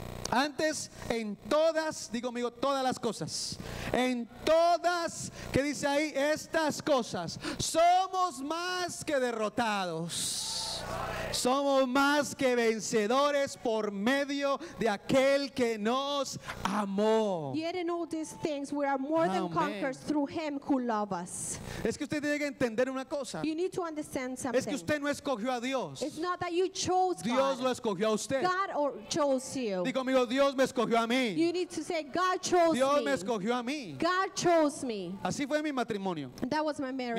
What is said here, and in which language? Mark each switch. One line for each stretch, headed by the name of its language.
Spanish: Antes, en todas, digo amigo, todas las cosas, en todas, que dice ahí, estas cosas, somos más que derrotados, somos más que vencedores por medio de aquel que nos amó.
English: Yet in all these things, we are more than conquerors through him who loves us.
Spanish: Es que usted tiene que entender una cosa.
English: You need to understand something.
Spanish: Es que usted no escogió a Dios.
English: It's not that you chose God.
Spanish: Dios lo escogió a usted.
English: God or chose you.
Spanish: Digo amigo, Dios me escogió a mí.
English: You need to say God chose
Spanish: Dios me. Me escogió a mí.
English: God chose me.
Spanish: Así fue mi matrimonio.
English: That was my marriage.